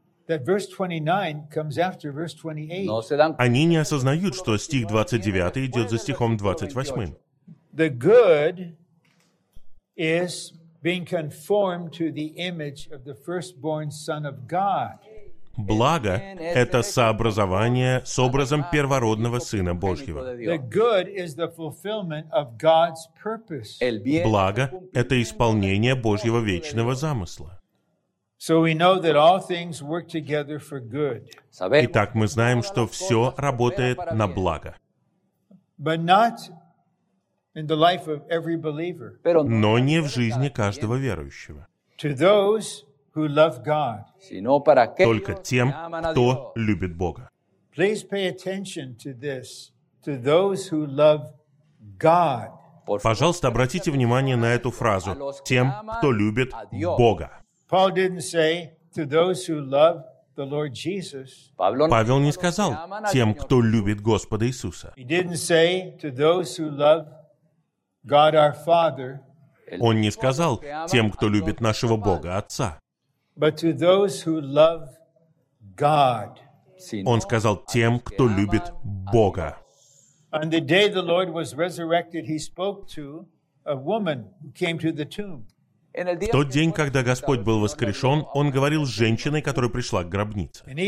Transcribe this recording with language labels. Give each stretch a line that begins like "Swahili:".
Russian: Они не осознают, что стих 29 идет за стихом 28.
English: The good is being conformed to the image of the firstborn Son of God.
Russian: Благо — это сообразование с образом первородного Сына Божьего.
English: The good is the fulfillment of God's purpose.
Russian: Благо — это исполнение Божьего вечного замысла.
English: So we know that all things work together for good.
Russian: Итак, мы знаем, что все работает на благо.
English: But not in the life of every believer.
Russian: Но не в жизни каждого верующего.
English: To those who love God.
Russian: Только тем, кто любит Бога.
English: Please pay attention to this, to those who love God.
Russian: Пожалуйста, обратите внимание на эту фразу: тем, кто любит Бога.
English: Paul didn't say to those who love the Lord Jesus.
Russian: Павел не сказал тем, кто любит Господа Иисуса.
English: He didn't say to those who love God our Father.
Russian: Он не сказал тем, кто любит нашего Бога Отца.
English: But to those who love God.
Russian: Он сказал тем, кто любит Бога.
English: On the day the Lord was resurrected, he spoke to a woman who came to the tomb.
Russian: В тот день, когда Господь был воскрешен, Он говорил с женщиной, которая пришла к гробнице.